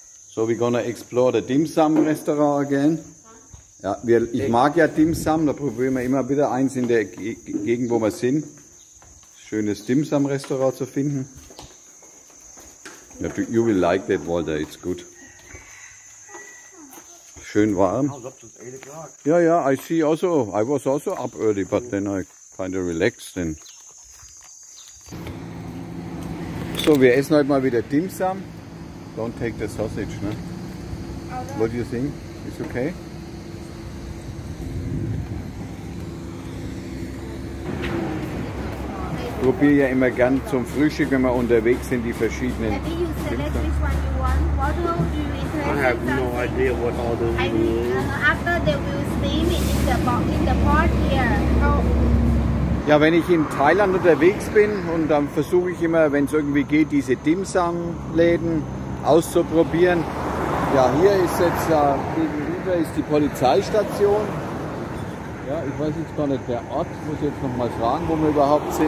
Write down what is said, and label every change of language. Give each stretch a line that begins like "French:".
English: So, we're gonna explore the Dim Sum Restaurant again.
German: Ja, ich mag ja Dim Sum, da probieren wir immer wieder eins in der Gegend, wo wir sind. Schönes Dim Sum Restaurant zu finden.
English: You will like that, Walter, it's good.
German: Schön warm.
English: Ja, ja, I see also, I was also up early, but then I kind of relaxed then. So, wir essen heute mal wieder Dim Sum. Don't take the sausage, ne? What do you think? Is okay?
German: Ich probiere ja immer gern zum Frühstück, wenn wir unterwegs sind, die verschiedenen.
English: I have no idea what all the I mean, after they will steam it in the pot here. Oh.
German: Ja, wenn ich in Thailand unterwegs bin und dann versuche ich immer, wenn es irgendwie geht, diese Dim Sum Läden auszuprobieren. Ja, hier ist jetzt gegenüber ist die Polizeistation. Ja, ich weiß jetzt gar nicht, der Ort, muss ich jetzt noch mal fragen, wo wir überhaupt sind.